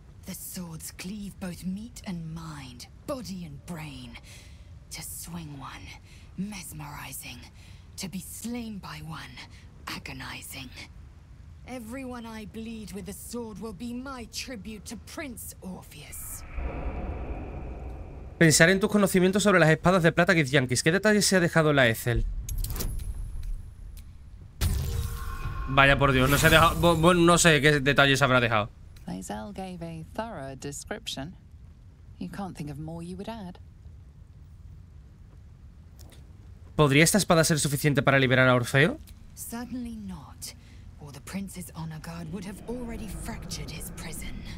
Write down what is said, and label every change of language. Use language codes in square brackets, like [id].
[en] The swords cleave both meat and mind, body and brain. To swing one, mesmerizing. To be slain by one, agonizing. Everyone I bleed with the sword will be my tribute to Prince Orpheus. [es] Pensar en tus conocimientos sobre las espadas de plata, Gizyankis. ¿Qué detalles se ha dejado en la Ethel? Vaya por Dios, no se ha dejado. Bueno, no sé qué detalles habrá dejado. [en] Lazelle gave a thorough description. You can't think of more you would add. [es] ¿Podría esta espada ser suficiente para liberar a Orfeo? [en] Certainly not. Or the prince's honor guard would have already fractured his prison.